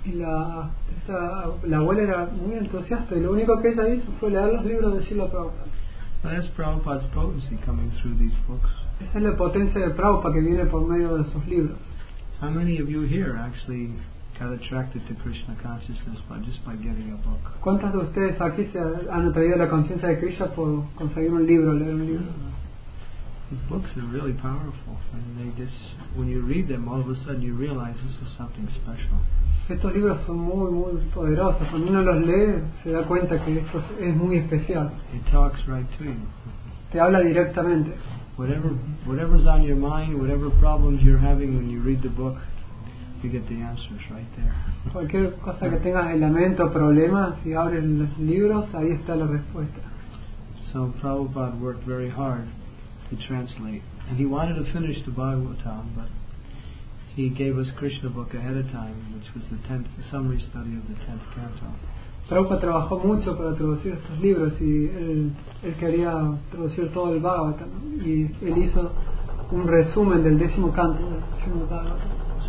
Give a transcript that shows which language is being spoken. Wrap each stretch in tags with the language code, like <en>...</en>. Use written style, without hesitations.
<es>Y la abuela era muy entusiasta, y lo único que ella hizo fue leer los libros de Srila Prabhupada.</es> <en>That's Prabhupada's potency coming through these books.</en> <es>Esa es la potencia de Prabhupada que viene por medio de sus libros.</es> <en>How many of you here actually got attracted to Krishna consciousness by just by getting a book?</en> <es>¿Cuántos de ustedes aquí se han atraído la conciencia de Krishna por conseguir un libro, leer un libro?</es> <en>These books are really powerful, and they just, when you read them, all of a sudden you realize this is something special.</en> <es>Estos libros son muy, muy poderosos. Cuando uno los lee, se da cuenta que esto es muy especial.</es> <en>It talks right to you.</en> <es>Te habla directamente.</es> <en>Whatever's on your mind, whatever problems you're having, when you read the book, you get the answers right there.</en> <es>Cualquier cosa que tengas en la mente o problemas, si abres los libros, ahí está la respuesta.</es> <en>So Prabhupada worked very hard to translate, and he wanted to finish the Bhagavatam, but he gave us Krishna book ahead of time, which was the tenth the summary study of the 10th canto.</en> <es>Prabhupada trabajó mucho para traducir estos libros y él quería traducir todo el Bhagavatam, y él hizo un resumen del décimo canto del décimo Bhagavatam.</es>